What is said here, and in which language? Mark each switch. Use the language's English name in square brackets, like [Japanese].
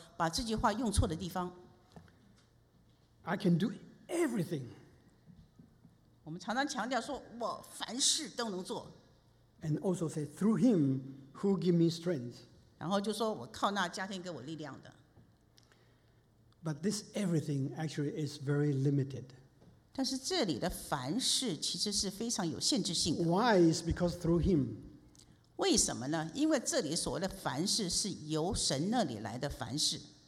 [Chinese] 因为有很多人是在很多不同的场合把这句话用错的地方。 [English] I can do everything. [Chinese] 我们常常强调说我凡事都能做。 [English] And also say, through him who give me strength. [Chinese] 然后就说我靠那加添给我力量的。 [English] But this everything actually is very limited. [Chinese] 但是这里的凡事其实是非常有限制性的。 [English] Why? It's because through him. [Chinese] 为什么呢? 因为这里所谓的凡事是由神那里来的凡事。